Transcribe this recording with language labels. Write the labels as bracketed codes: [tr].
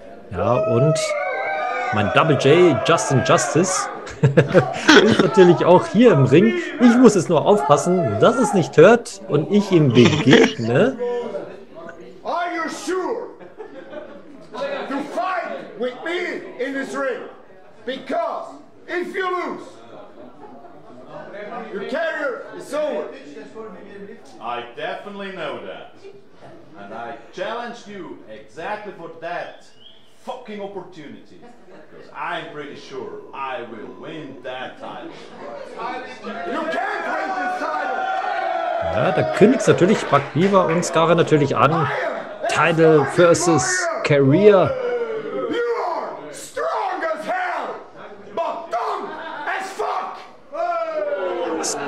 [de] Ja, und mein Double J, Justin Justice, ist natürlich auch hier im Ring. Ich muss es nur aufpassen, dass es nicht hört und ich ihm begegne. [en] Are you sure to fight with me in this ring? Because if you lose, your career is over. I definitely know that. And I challenge you exactly for that fucking opportunity. I'm pretty sure I will win that title. You can't win this title! [de] Ja, da kündigt natürlich Buck Beaver und Scarin natürlich an. [en] Title versus Career. You are strong as hell, but dumb as fuck!